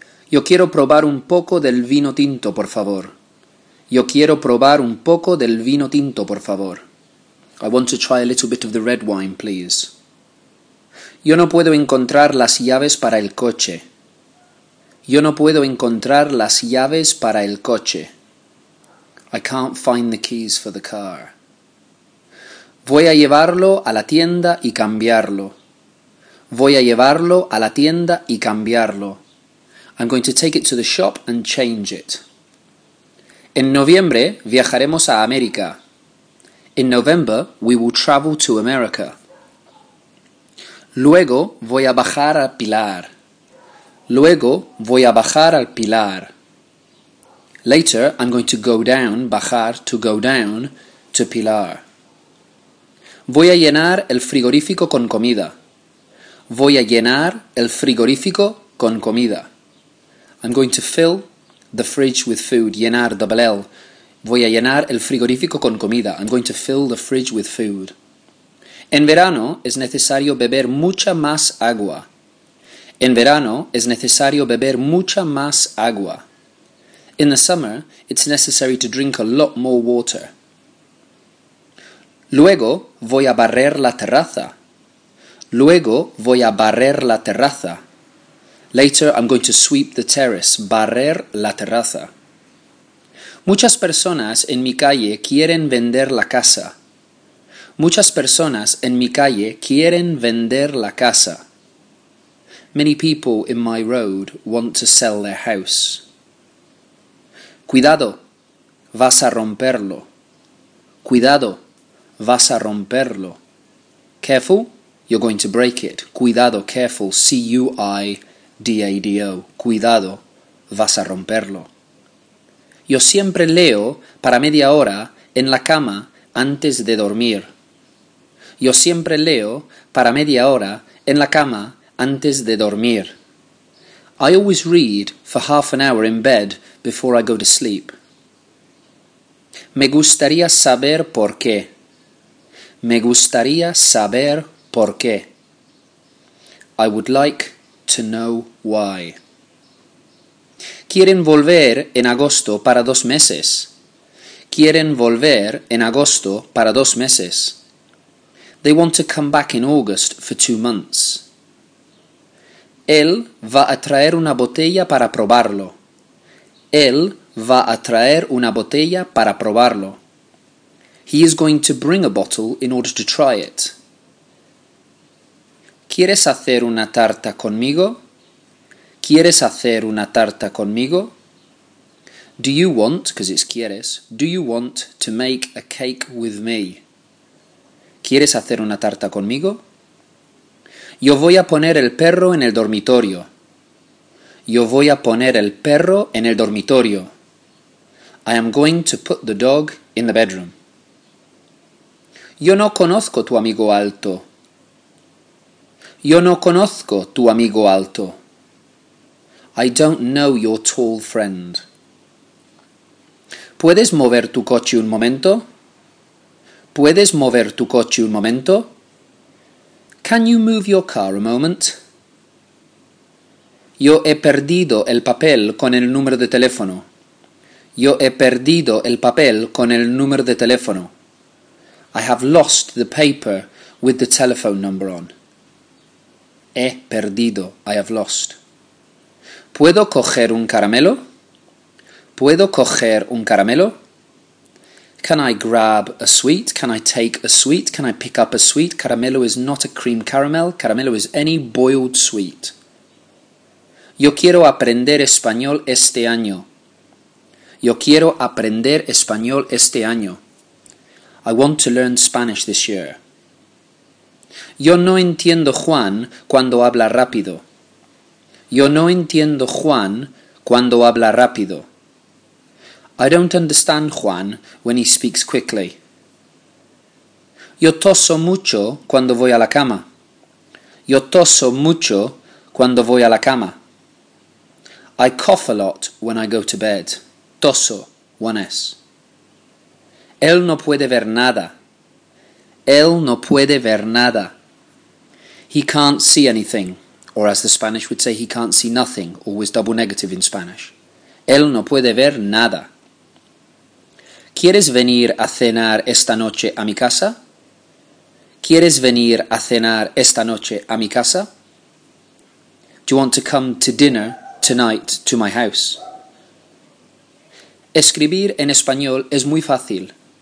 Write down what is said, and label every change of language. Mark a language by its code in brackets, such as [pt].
[es] Yo quiero probar un poco del vino tinto, por favor. Yo quiero probar un poco del vino tinto, por favor. [en] I want to try a little bit of the red wine, please. [es] Yo no puedo encontrar las llaves para el coche. Yo no puedo encontrar las llaves para el coche. [en] I can't find the keys for the car. [es] Voy a llevarlo a la tienda y cambiarlo. Voy a llevarlo a la tienda y cambiarlo. [en] I'm going to take it to the shop and change it. [es] En noviembre viajaremos a América. [en] In November we will travel to America. [es] Luego voy a bajar al Pilar. Luego voy a bajar al Pilar. [en] Later I'm going to go down, bajar, to go down, to Pilar. [es] Voy a llenar el frigorífico con comida. Voy a llenar el frigorífico con comida. [en] I'm going to fill the fridge with food. Llenar, double L. [es] Voy a llenar el frigorífico con comida. [en] I'm going to fill the fridge with food. [es] En verano es necesario beber mucha más agua. En verano es necesario beber mucha más agua. [en] In the summer, it's necessary to drink a lot more water. [es] Luego voy a barrer la terraza. Luego voy a barrer la terraza. [en] Later, I'm going to sweep the terrace. [es] Barrer la terraza. Muchas personas en mi calle quieren vender la casa. Muchas personas en mi calle quieren vender la casa. [en] Many people in my road want to sell their house. [es] Cuidado, vas a romperlo. Cuidado, vas a romperlo. [en] Careful, you're going to break it. Cuidado, careful, C-U-I-D-A-D-O. [es] Cuidado, vas a romperlo. Yo siempre leo para media hora en la cama antes de dormir. Yo siempre leo para media hora en la cama antes de dormir. [en] I always read for half an hour in bed before I go to sleep. [es] Me gustaría saber por qué. Me gustaría saber por qué. [en] I would like to know why. [es] Quieren volver en agosto para 2 meses. Quieren volver en agosto para 2 meses. [en] They want to come back in August for 2 months. [es] Él va a traer una botella para probarlo. Él va a traer una botella para probarlo. [en] He is going to bring a bottle in order to try it. [es] ¿Quieres hacer una tarta conmigo? ¿Quieres hacer una tarta conmigo? [en] Do you want, because it's quieres, do you want to make a cake with me? [es] ¿Quieres hacer una tarta conmigo? Yo voy a poner el perro en el dormitorio. Yo voy a poner el perro en el dormitorio. [en] I am going to put the dog in the bedroom. [es] Yo no conozco tu amigo alto. Yo no conozco tu amigo alto. [en] I don't know your tall friend. [es] ¿Puedes mover tu coche un momento? ¿Puedes mover tu coche un momento? [en] Can you move your car a moment? [es] Yo he perdido el papel con el número de teléfono. Yo he perdido el papel con el número de teléfono. [en] I have lost the paper with the telephone number on. [es] He perdido. [en] I have lost. [es] ¿Puedo coger un caramelo? ¿Puedo coger un caramelo? [en] Can I grab a sweet? Can I take a sweet? Can I pick up a sweet? Caramelo is not a cream caramel. Caramelo is any boiled sweet. [es] Yo quiero aprender español este año. Yo quiero aprender español este año. [en] I want to learn Spanish this year. [es] Yo no entiendo Juan cuando habla rápido. Yo no entiendo Juan cuando habla rápido. [en] I don't understand Juan when he speaks quickly. [es] Yo toso mucho cuando voy a la cama. Yo toso mucho cuando voy a la cama. [en] I cough a lot when I go to bed. Toso, 1S. [es] Él no puede ver nada. Él no puede ver nada. [en] He can't see anything, or as the Spanish would say, he can't see nothing, always double negative in Spanish. [es] Él no puede ver nada. ¿Quieres venir a cenar esta noche a mi casa? ¿Quieres venir a cenar esta noche a mi casa? [en] Do you want to come to dinner tonight to my house? [es] Escribir en español es muy fácil.